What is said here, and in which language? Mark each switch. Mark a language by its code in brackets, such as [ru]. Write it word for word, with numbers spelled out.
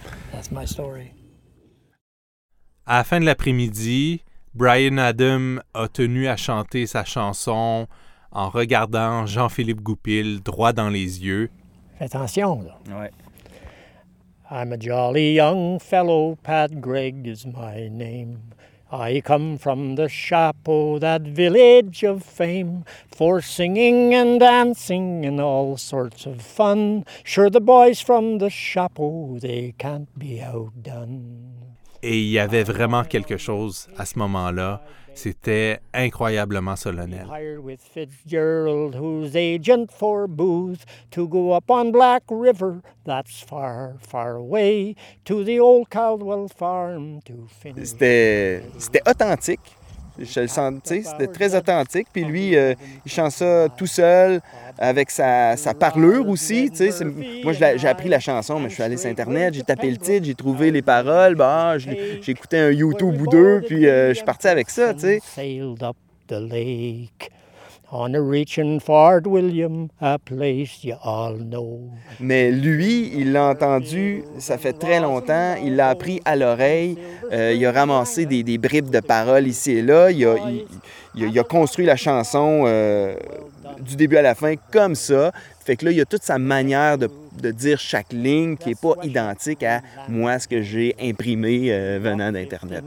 [en] That's my story. [fr] À la fin de l'après-midi, Bryan Adam a tenu à chanter sa chanson en regardant Jean-Philippe Goupil droit dans les yeux. Fais attention, là. Ouais. [en] I'm a jolly young fellow, Pat Gregg is my name. I come from the Chapeau, that village of fame, for singing and dancing and all sorts of fun. Sure, the boys from the Chapeau, they can't be outdone. [fr] Et il y avait vraiment quelque chose à ce moment-là. C'était incroyablement solennel. [en] Hired with Fitzgerald, who's agent for Booth, to go up on Black River, that's far, far away, to the old Caldwell farm to finish. [fr] C'était, c'était authentique. Je le sentais, c'était très authentique. Puis lui, euh, il chante ça tout seul, avec sa, sa parlure aussi. Tu sais, moi, j'ai appris la chanson, mais je suis allé sur Internet, j'ai tapé le titre, j'ai trouvé les paroles. Ben, ah, j'ai, j'ai écouté un YouTube ou deux, puis euh, je suis parti avec ça, tu sais. [en] Sailed up the lake on a reach in Fort William, a place you all know. [fr] Mais lui, il l'a entendu, ça fait très longtemps, il l'a appris à l'oreille, euh, il a ramassé des, des bribes de paroles ici et là, il a, il, il a, il a construit la chanson euh, du début à la fin comme ça. Fait que là, il y a toute sa manière de, de dire chaque ligne qui n'est pas identique à moi, ce que j'ai imprimé euh, venant d'Internet.